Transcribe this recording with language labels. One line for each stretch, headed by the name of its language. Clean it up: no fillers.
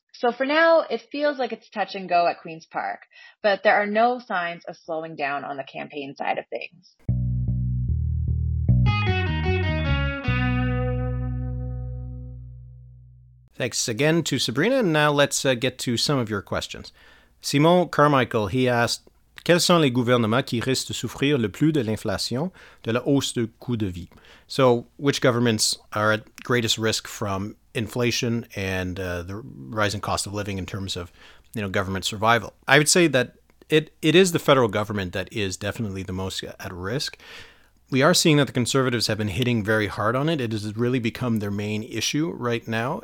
English: So for now, it feels like it's touch and go at Queen's Park, but there are no signs of slowing down on the campaign side of things. Thanks again to Sabrina, and now let's get to some of your questions.
French: Simon Carmichael,
English: he asked,
French: quels sont les gouvernements qui risquent de souffrir le plus de l'inflation, de la hausse de coût de vie?
English: So which governments are at greatest risk from inflation and the rising cost of living in terms of, you know, government survival? I would say that it is the federal government that is definitely the most at risk. We are seeing that the Conservatives have been hitting very hard on it. It has really become their main issue right now.